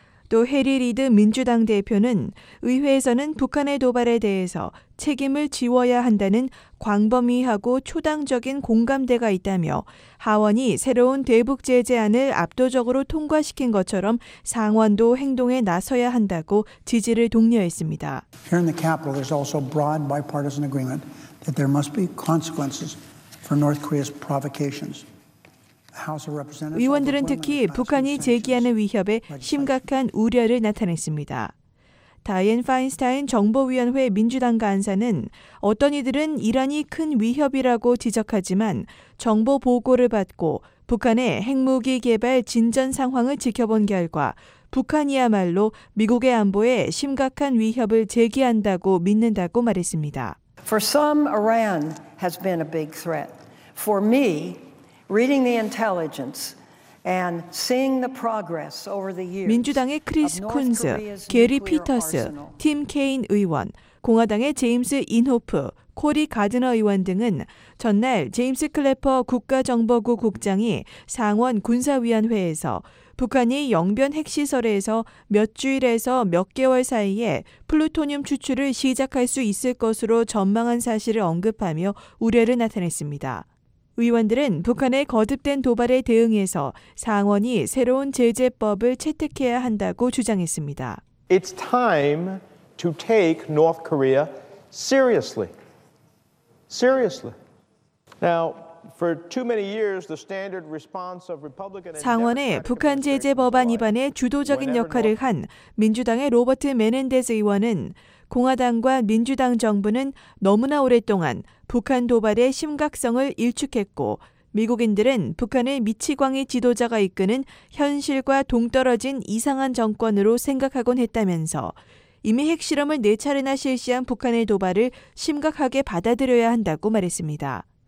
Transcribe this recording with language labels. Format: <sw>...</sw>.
<ko>또 해리 리드 민주당 대표는 의회에서는 북한의 도발에 대해서 책임을 지워야 한다는 광범위하고 초당적인 공감대가 있다며 하원이 새로운 대북 제재안을 압도적으로 통과시킨 것처럼 상원도 행동에 나서야 한다고 지지를 독려했습니다.</ko> <en>Here in the capital, there's also broad bipartisan agreement that there must be consequences for North Korea's provocations.</en> <ko>의원들은 특히 북한이 제기하는 위협에 심각한 우려를 나타냈습니다. 다이앤 파인스타인 정보위원회 민주당 간사는 어떤 이들은 이란이 큰 위협이라고 지적하지만 정보 보고를 받고 북한의 핵무기 개발 진전 상황을 지켜본 결과 북한이야말로 미국의 안보에 심각한 위협을 제기한다고 믿는다고 말했습니다.</ko> <en>For some, Iran has been a big threat. For me, reading the intelligence and seeing the progress over the years.</en> <ko>민주당의 크리스 쿤즈, 게리 피터스, 팀 케인 의원, 공화당의 제임스 인호프, 코리 가드너 의원 등은 전날 제임스 클래퍼 국가정보국 국장이 상원 군사위원회에서 북한이 영변 핵시설에서 몇 주일에서 몇 개월 사이에 플루토늄 추출을 시작할 수 있을 것으로 전망한 사실을 언급하며 우려를 나타냈습니다. 위원들은 북한의 거듭된 도발에 대응해서 상원이 새로운 제재법을 채택해야 한다고 주장했습니다.</ko> <en>It's time to take North Korea seriously. Seriously. Now, for too many years, the standard response of Republican</en> <ko>상원의 북한 제재 법안 위반에 주도적인 역할을 한 민주당의 로버트 메넨데스 의원은 공화당과 민주당 정부는 너무나 오랫동안 북한 도발의 심각성을 일축했고 미국인들은 북한의 미치광이 지도자가 이끄는 현실과 동떨어진 이상한 정권으로 생각하곤 했다면서 이미 핵실험을 네 차례나 실시한 북한의 도발을 심각하게 받아들여야 한다고 말했습니다.</ko>